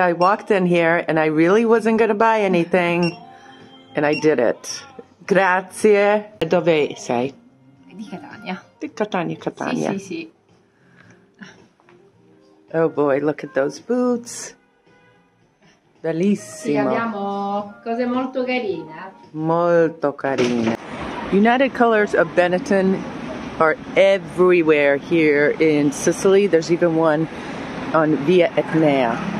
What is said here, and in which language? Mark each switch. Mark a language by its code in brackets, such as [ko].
[en] I walked in here and I really wasn't going to buy anything. And I did it. [it] Grazie. Dove sei? Di Catania. Di Catania, Catania. Sì, sì, sì. [en] Oh boy, look at those boots. [it] Bellissimo. Sì, abbiamo cose molto carine. Molto carine. [en] United Colors of Benetton are everywhere here in Sicily. There's even one on Via Etnea.